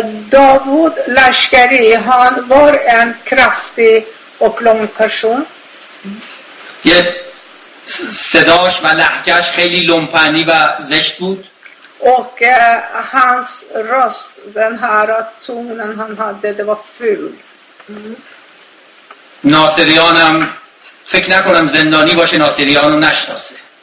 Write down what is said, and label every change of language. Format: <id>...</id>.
<sv>Davud Lashkari, han var en kraftig och lång person.</sv> <fa>صداش و لهجهش خیلی لومپنی و زشت بود.</fa> <sv>Och hans röst, den här tonen han hade, det var ful.</sv> <fa>ناصریانم فکر نکنم زندانی باشه ناصریانو نشناسه.</fa>